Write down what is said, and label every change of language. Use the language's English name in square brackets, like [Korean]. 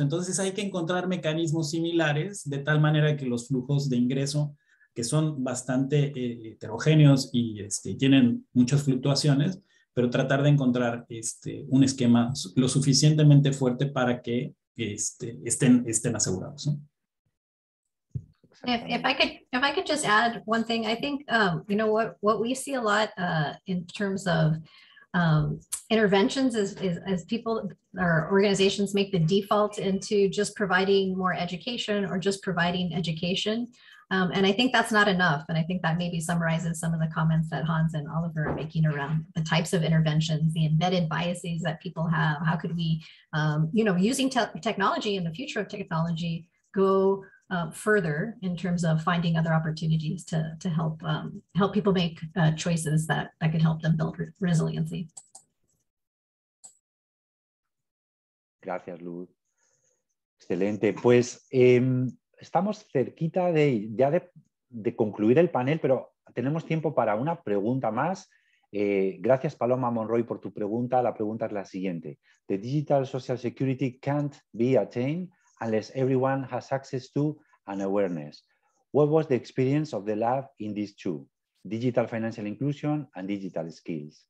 [Spanish] Entonces hay que encontrar mecanismos similares de tal manera que los flujos de ingreso, que son bastante heterogéneos y tienen muchas fluctuaciones, pero tratar de encontrar un esquema lo suficientemente fuerte para que estén asegurados, ¿no? [English] If I could just add one thing, I think what we see a lot in terms of interventions is people or organizations make the default into just providing more education or just providing education, and I think that's not enough. And I think that maybe summarizes some of the comments that Hans and Oliver are making around the types of interventions, the embedded biases that people have. How could we, using technology and the future of technology, go further in terms of finding other opportunities to help help people make choices that could help them build resiliency. [Spanish] Gracias, Luz. Excelente. Pues estamos cerquita de concluir el panel, pero tenemos tiempo para una pregunta más. Gracias, Paloma Monroy, por tu pregunta. La pregunta es la siguiente. [English] The digital social security can't be attained unless everyone has access to and awareness. What was the experience of the lab in these two, digital financial inclusion and digital skills?